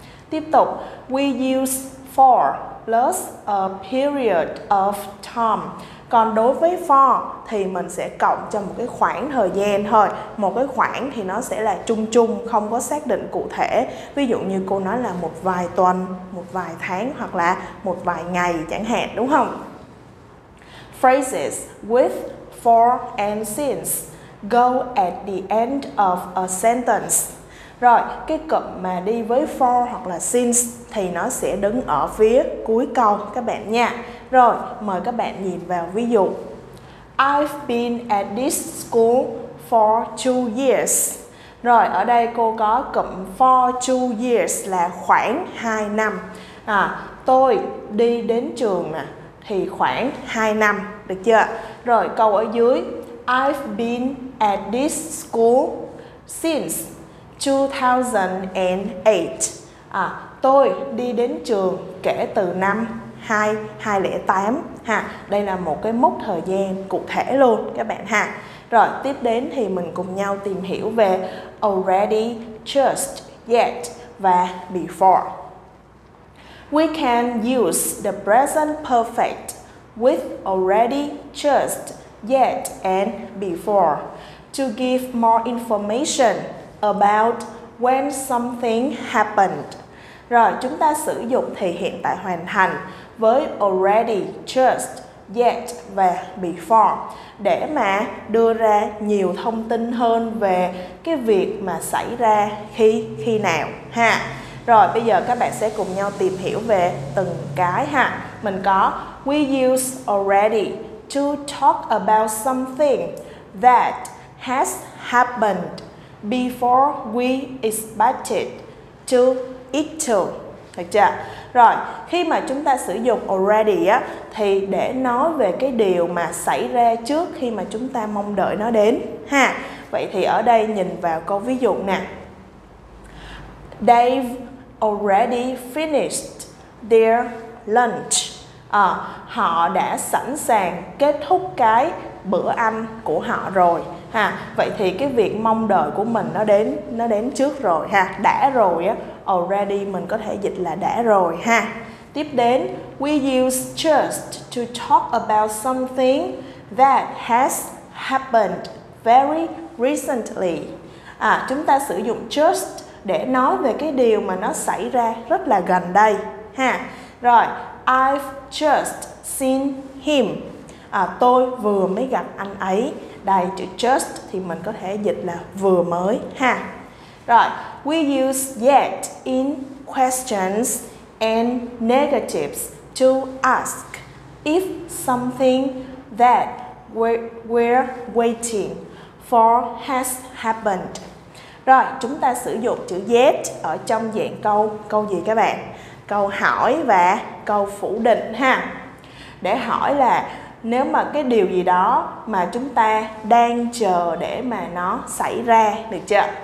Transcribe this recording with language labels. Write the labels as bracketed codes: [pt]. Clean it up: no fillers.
[en] Tiếp tục, we use for plus a period of time. [vi] Còn đối với for thì mình sẽ cộng cho một cái khoảng thời gian thôi. Một cái khoảng thì nó sẽ là chung chung, không có xác định cụ thể. Ví dụ như cô nói là một vài tuần, một vài tháng hoặc là một vài ngày chẳng hạn, đúng không? [en] Phrases with, for and since go at the end of a sentence. [vi] Rồi, cái cụm mà đi với for hoặc là since thì nó sẽ đứng ở phía cuối câu các bạn nha. Rồi, mời các bạn nhìn vào ví dụ. [en] I've been at this school for 2 years. [vi] Rồi, ở đây cô có cụm for 2 years là khoảng 2 năm. À, tôi đi đến trường nè thì khoảng 2 năm, được chưa? Rồi, câu ở dưới. [en] I've been at this school since 2008. [vi] À, tôi đi đến trường kể từ năm 2008 ha. Đây là một cái mốc thời gian cụ thể luôn các bạn ha. Rồi, tiếp đến thì mình cùng nhau tìm hiểu về already, just, yet và before. [en] We can use the present perfect with already, just, yet and before to give more information about when something happened. [vi] Rồi, chúng ta sử dụng thì hiện tại hoàn thành với already, just, yet và before để mà đưa ra nhiều thông tin hơn về cái việc mà xảy ra khi nào ha. Rồi, bây giờ các bạn sẽ cùng nhau tìm hiểu về từng cái ha. Mình có [en] we use already to talk about something that has happened before we expected to it to. [vi] Được chưa? Rồi, khi mà chúng ta sử dụng already á thì để nói về cái điều mà xảy ra trước khi mà chúng ta mong đợi nó đến ha. Vậy thì ở đây nhìn vào câu ví dụ nè. [en] They've already finished their lunch. [vi] À, họ đã sẵn sàng kết thúc cái bữa ăn của họ rồi ha. Vậy thì cái việc mong đợi của mình nó đến trước rồi ha, đã rồi á. Already mình có thể dịch là đã rồi ha. Tiếp đến, [en] we use just to talk about something that has happened very recently. [vi] À, chúng ta sử dụng just để nói về cái điều mà nó xảy ra rất là gần đây ha. [en] Rồi, I've just seen him. [vi] À, tôi vừa mới gặp anh ấy. Đây, chữ just thì mình có thể dịch là vừa mới ha. [en] Rồi, we use yet in questions and negatives to ask if something that we're waiting for has happened. [vi] Rồi, chúng ta sử dụng chữ yet ở trong dạng câu, câu gì các bạn? Câu hỏi và câu phủ định ha. Để hỏi là nếu mà cái điều gì đó mà chúng ta đang chờ để mà nó xảy ra, được chưa?